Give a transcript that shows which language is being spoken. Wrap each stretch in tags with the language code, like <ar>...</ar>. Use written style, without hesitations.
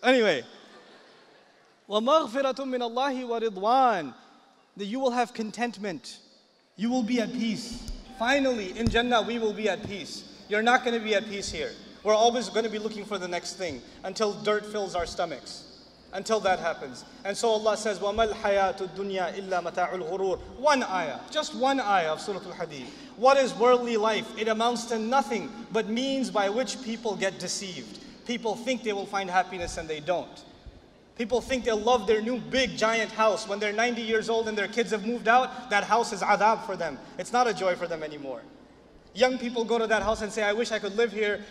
<en>Anyway.</en> <ar>وَمَغْفِرَةٌ مِّنَ اللَّهِ وَرِضْوَانٌ.</ar> <en>That you will have contentment. You will be at peace. Finally, in Jannah, we will be at peace. You're not going to be at peace here. We're always going to be looking for the next thing until dirt fills our stomachs. Until that happens. And so Allah says,</en> <ar>وَمَا الْحَيَاةُ الدُّنْيَا إِلَّا مَتَاعُ الْغُرُورِ.</ar> <en>One ayah, just one ayah of Surah Al-Hadid. What is worldly life? It amounts to nothing but means by which people get deceived. People think they will find happiness and they don't. People think they'll love their new big giant house. When they're 90 years old and their kids have moved out, that house is adab for them. It's not a joy for them anymore. Young people go to that house and say, I wish I could live here.</en>